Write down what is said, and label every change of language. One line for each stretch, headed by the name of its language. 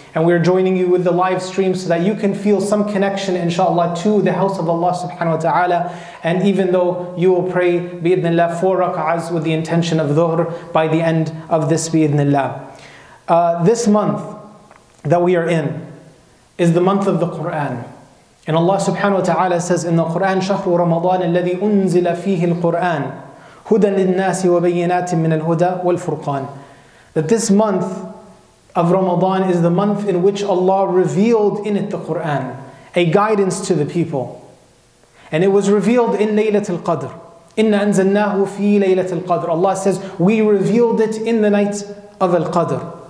English: And we are joining you with the live stream so that you can feel some connection, inshallah, to the house of Allah subhanahu wa ta'ala. And even though you will pray, bi-idhnillah, 4 rak'ahs with the intention of dhuhr by the end of this, bi-idhnillah. This month that we are in is the month of the Qur'an. And Allah subhanahu wa ta'ala says in the Qur'an,
Arabic: شَهْرُ رَمَضَانَ الَّذِي أُنزِلَ فِيهِ الْقُرْآنِ هُدًى لِلنَّاسِ وَبَيِّنَاتٍ مِّنَ الْهُدَى وَالْفُرْقَانِ.
English: That this month of Ramadan is the month in which Allah revealed in it the Qur'an, a guidance to the people. And it was revealed in Laylatul Qadr.
Arabic: إِنَّ أَنزَلْنَاهُ فِي لَيْلَةِ الْقَدْرِ.
English: Allah says, we revealed it in the night of Al-Qadr.